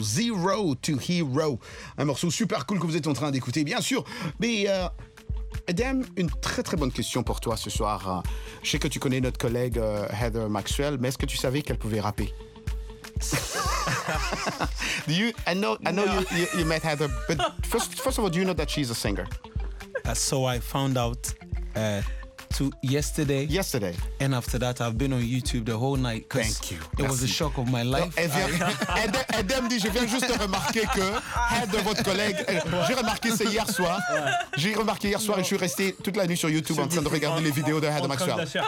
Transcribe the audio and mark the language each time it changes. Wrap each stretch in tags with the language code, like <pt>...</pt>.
<fr>Zero to Hero. Un morceau super cool que vous êtes en train d'écouter, bien sûr. Mais Edem, une très très bonne question pour toi ce soir. Je sais que tu connais notre collègue Heather Maxwell, mais est-ce que tu savais qu'elle pouvait rapper?</fr> <en>I know you met Heather, but first of all, do you know that she's a singer? So I found out yesterday, and after that, I've been on YouTube the whole night. Thank you. It was a shock of my life.</en> <fr>Edem dit, je viens juste de remarquer que Heather, votre collègue, j'ai remarqué c'est hier soir. J'ai remarqué hier soir et je suis resté toute la nuit sur YouTube en train de regarder les vidéos de Heather Maxwell.</fr>